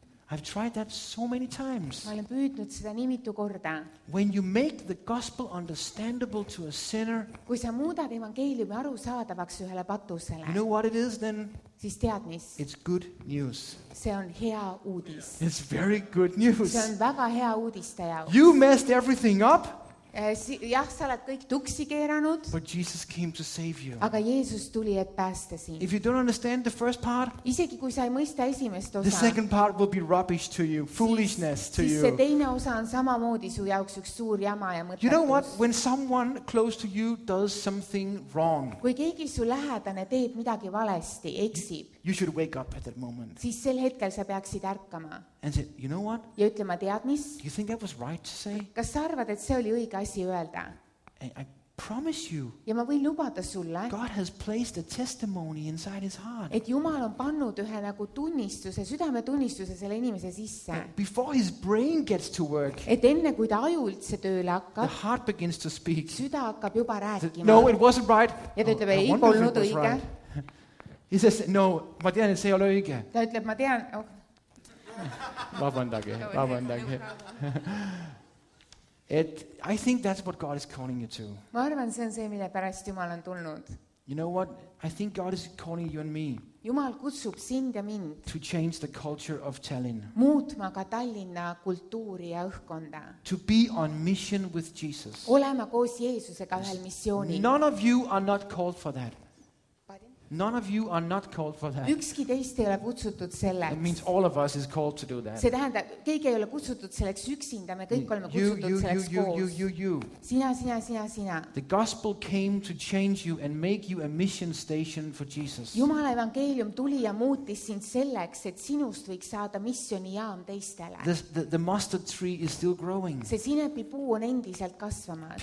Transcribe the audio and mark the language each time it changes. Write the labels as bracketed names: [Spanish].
[English] I've tried that so many times. [Estonian] Ma olen püüdnud seda nii mitu korda. [English] When you make the gospel understandable to a sinner, [Estonian] kui sa muudad evangeeliumi aru saadavaks ühele patusele, [English] you know what it is then? [Estonian] Siis tead mis? [English] It's good news. [Estonian] See on hea uudis. [English] It's very good news. [Estonian] See on väga hea uudiste jaoks. [English] You messed everything up. [Estonian] Jah, sa oled kõik tuksi keeranud. [English] But Jesus came to save you. [Estonian] Aga Jeesus tuli, et päästa sind. [English] If you don't understand the first part, [Estonian] isegi kui sa ei mõista esimest osa, [English] the second part will be rubbish to you, foolishness to you. [Estonian] Siis see teine osa on samamoodi su jaoks üks suur jama ja mõttetus. [English] You know what? When someone close to you does something wrong, [Estonian] kui keegi su lähedane teeb midagi valesti, eksib, [English] you should wake up at that moment. [Estonian] Siis sel hetkel sa peaksid ärkama. [English] And said, you know what? [Estonian] Ja ütlema, tead mis? [English] You think that was right to say? [Estonian] Kas sa arvad, et see oli õige asi öelda? [English] And I promise you. [Estonian] Ja ma võin lubada sulle. [English] God has placed a testimony inside his heart. [Estonian] Et Jumal on pannud ühe nagu tunnistuse, südame tunnistuse selle inimese sisse. [English] And before his brain gets to work. [Estonian] Et enne kui ta aju üldse tööle hakkab. [English] The heart begins to speak. [Estonian] Süda hakkab juba rääkima. [English] No, it wasn't right. [Estonian] Ja ta ütleb, ei polnud õige. [English] He says, no, [Estonian] ma tean, et see ei ole õige. Ta ütleb, ma tean, Vabandage. [English] It, I think that's what God is calling you to. [Estonian] Ma arvan, see on see, mille pärast Jumal on tulnud. [English] You know what? I think God is calling you and me. [Estonian] Jumal kutsub sind ja mind. [English] To change the culture of Tallinn. [Estonian] Muutma ka Tallinna kultuuri ja õhkonda. [English] To be on mission with Jesus. [Estonian] Olema koos Jeesusega ühel missioonil. [English] None of you are not called for that. None of you are not called for that. [Estonian] Ükski teist ei ole kutsutud selleks. [English] It means all of us is called to do that. [Estonian] See tähendab, keegi ei ole kutsutud selleks üksinda, me kõik oleme kutsutud selleks koos. [English] You. [Estonian] Sina. [English] The gospel came to change you and make you a mission station for Jesus. [Estonian] Jumala evangeelium tuli ja muutis sind selleks, et sinust võiks saada missioni jaam teistele. [English] The mustard tree is still growing. [Estonian] See sinepi puu on endiselt kasvamas.